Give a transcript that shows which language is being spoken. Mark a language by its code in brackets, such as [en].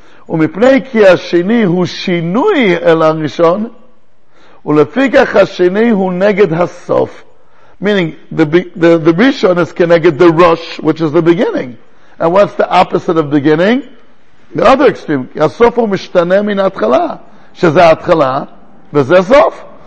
[he] ומפני כי השני הוא שינוי אל הראשון, ולפיכך השני הוא נגד הסוף. [en] Meaning, the Rishon is connected the Rosh, which is the beginning. And what's the opposite of beginning? The other extreme. [he] הסוף הוא משתנה מן ההתחלה, שזה ההתחלה, וזה סוף.